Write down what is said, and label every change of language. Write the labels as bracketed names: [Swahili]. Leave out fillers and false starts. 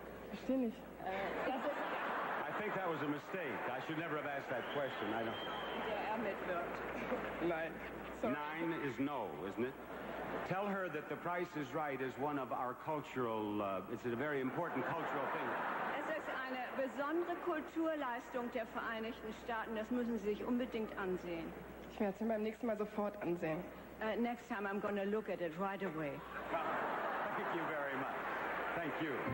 [German] Verstehe nicht. [English] I think that was a mistake. I should never have asked that question. I don't... [German] Mitwirkt. Nein. [English] 9 is no, isn't it? Tell her that The Price is Right is one of our cultural, it's a very important cultural thing. [German] Es ist eine besondere Kulturleistung der Vereinigten Staaten. Das müssen Sie sich unbedingt ansehen. Ich werde es mir beim nächsten Mal sofort ansehen. [English] Next time I'm going to look at it right away. Thank you very much. Thank you.